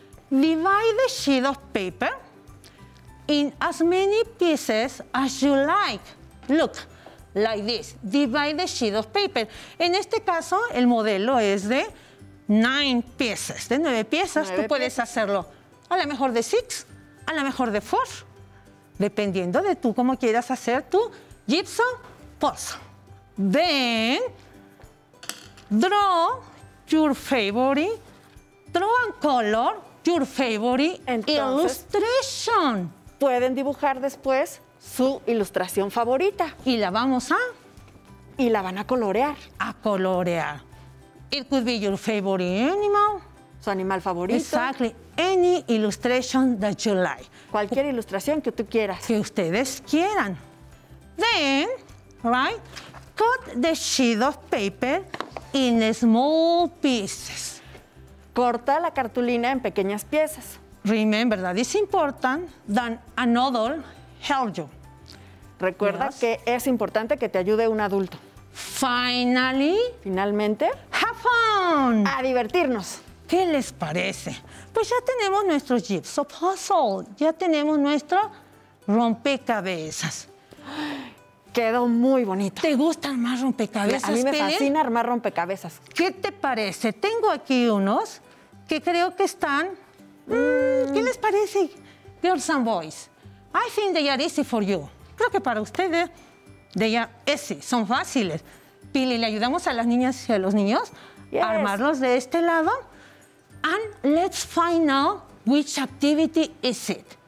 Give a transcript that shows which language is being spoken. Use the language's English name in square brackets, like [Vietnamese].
[English] divide the sheet of paper in as many pieces as you like. Look, like this. Divide the sheet of paper. [Spanish] En este caso, el modelo es de 9 pieces. De 9 piezas, tú puedes hacerlo. A lo mejor de 6, a lo mejor de 4. Dependiendo de tú cómo quieras hacer tu gypsum puzzle. [English] Then, draw your favorite, draw and color your favorite illustration. [Spanish] Pueden dibujar después su ilustración favorita. Y la vamos a... Y la van a colorear. A colorear. [English] It could be your favorite animal. [Spanish] Su animal favorito. [English] Exactly. Any illustration that you like. [Spanish] Cualquier ilustración que tú quieras. Que ustedes quieran. [English] Then, right, cut the sheet of paper in small pieces. [Spanish] Corta la cartulina en pequeñas piezas. [English] Remember that it's important that another help you. [Spanish] Recuerda que es importante que te ayude un adulto. [English] Finally. [Spanish] Finalmente. [English] Have fun. [Spanish] A divertirnos. ¿Qué les parece? Pues ya tenemos nuestro gypsum puzzle. Ya tenemos nuestro rompecabezas. Quedó muy bonito. ¿Te gusta armar rompecabezas? A mí me fascina armar rompecabezas. ¿Qué te parece? Tengo aquí unos que creo que están... ¿Qué les parece, [English] girls and boys? I think they are easy for you. [Spanish] Creo que para ustedes, [English] they are easy, [Spanish] son fáciles. Pili, ¿le ayudamos a las niñas y a los niños a armarlos de este lado? [English] And let's find out which activity is it.